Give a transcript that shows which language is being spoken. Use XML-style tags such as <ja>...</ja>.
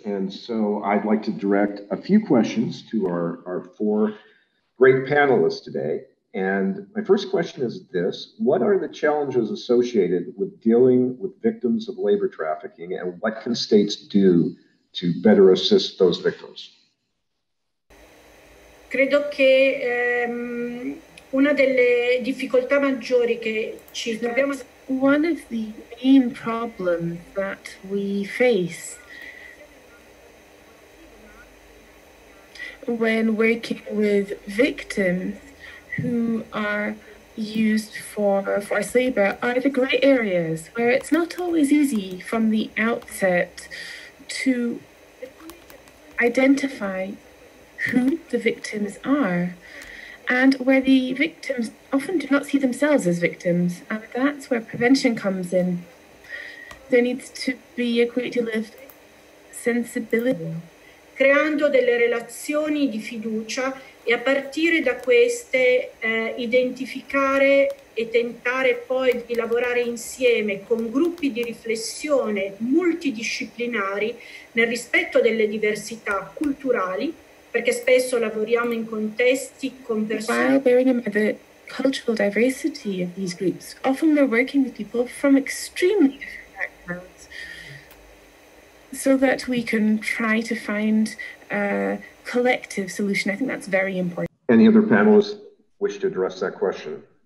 <en>And so I'd like to direct a few questions to our four great panelists today. And my first question is this: what are the challenges associated with dealing with victims of labor trafficking, and what can states do to better assist those victims?</en> <it>Credo che una delle difficoltà maggiori che ci troviamo.</it> <en>One of the main problems that we face when working with victims who are used for labor are the grey areas where it's not always easy from the outset to identify who the victims are, and where the victims often do not see themselves as victims. And that's where prevention comes in. There needs to be a great deal of sensibility.</en> <it>Creando delle relazioni di fiducia, e a partire da queste identificare e tentare poi di lavorare insieme con gruppi di riflessione multidisciplinari nel rispetto delle diversità culturali, perché spesso lavoriamo in contesti con persone.</it> <en>While bearing in mind the cultural diversity of these groups, often they're working with people from extremely different backgrounds, so that we can try to find collective solution. I think that's very important. Any other panelists wish to address that question?</en>